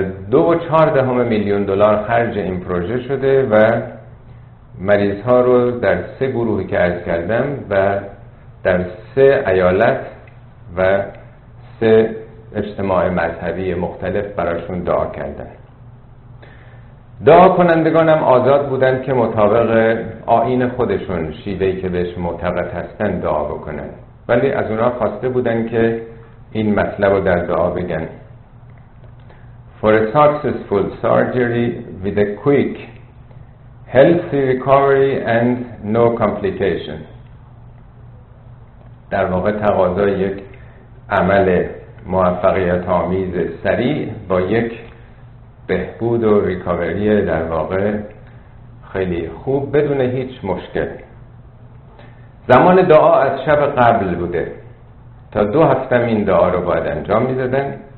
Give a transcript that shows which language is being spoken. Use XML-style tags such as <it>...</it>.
<fa>2.4 میلیون دلار خرج این پروژه شده و مریض ها رو در 3 گروهی که عرض کردم و در 3 ایالت و 3 اجتماع مذهبی مختلف براشون دعا کردن. دعا کنندگان هم آزاد بودن که مطابق آیین خودشون، شیوهی که بهش معتقد هستن، دعا بکنن، ولی از اونا خواسته بودن که این مطلب رو در دعا بگن.</fa> <en>For a successful surgery with a quick healthy recovery and no complication.</en> <fa>در واقع تقاضای یک عمل موفقیت آمیز سریع با یک بهبود و ریکاوری در واقع خیلی خوب بدون هیچ مشکل. زمان دعا از شب قبل بوده، تا 2 هفته این دعا رو باید انجام می دادن.</fa>